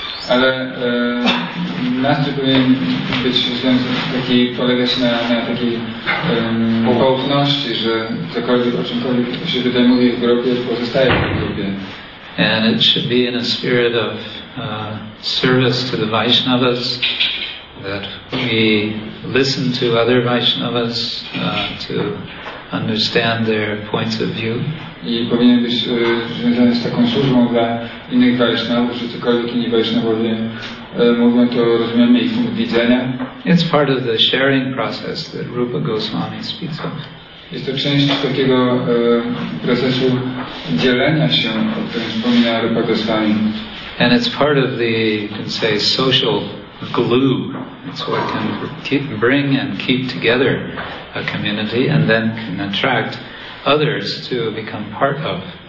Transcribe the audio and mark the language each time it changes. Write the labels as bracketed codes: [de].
[pl] Ale nastrój powinien być taki, polegać na takiej poufności, że cokolwiek, o czymkolwiek się tutaj mówi w grupie, pozostaje w grupie. [en] And it should be in a spirit of service to the Vaishnavas, that we listen to other Vaishnavas to understand their points of view. [pl] I powinien być związany z taką służbą dla innych Vaishnavów, że cokolwiek inni Vaishnavowie mówią, to rozumiemy ich punkt widzenia. [en] It's part of the sharing process that Rupa Goswami speaks of. [pl] Jest to część takiego procesu dzielenia się, o którym wspomina Rupa Goswami. [en] And it's part of the, you can say, social glue. It's what can bring and keep together a community, and then can attract others to become part of.